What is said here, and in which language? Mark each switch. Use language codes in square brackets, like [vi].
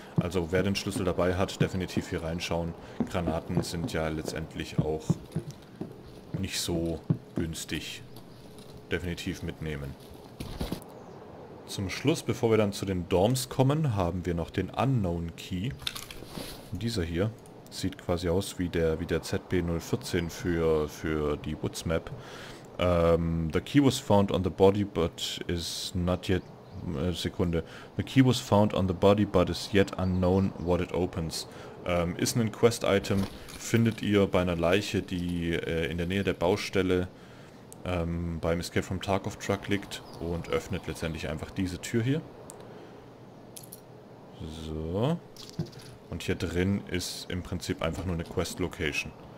[de] Also wer den Schlüssel dabei hat, definitiv hier reinschauen. Granaten sind ja letztendlich auch nicht so günstig. Definitiv mitnehmen. Zum Schluss, bevor wir dann zu den Dorms kommen, haben wir noch den Unknown Key. Dieser hier sieht quasi aus wie der ZB014 für die Woods Map. [en] The key was found on the body but is not yet [de] Sekunde. [en] The key was found on the body but is yet unknown what it opens. [de] Ist ein Quest-Item, findet ihr bei einer Leiche, die in der Nähe der Baustelle beim Escape from Tarkov Truck liegt und öffnet letztendlich einfach diese Tür hier. So. Und hier drin ist im Prinzip einfach nur eine Quest Location.